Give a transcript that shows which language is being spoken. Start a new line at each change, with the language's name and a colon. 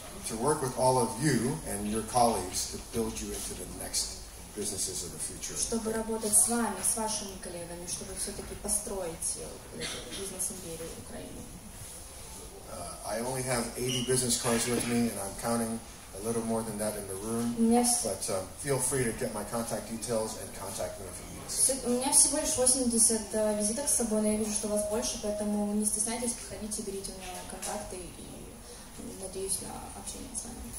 English: To work with all of you and your colleagues to build you into the next businesses of the future.
Russian: Чтобы работать с вами, с вашими коллегами, чтобы все-таки построить бизнес-империю в Украине.
English: I only have 80 business cards with me, and I'm counting a little more than that in the room. But feel free to get my contact details and contact me if you need.
Russian: У меня всего лишь 80 визиток с собой, но я вижу, что вас больше, поэтому не стесняйтесь, приходите, берите у меня контакты и надеюсь на общение с вами.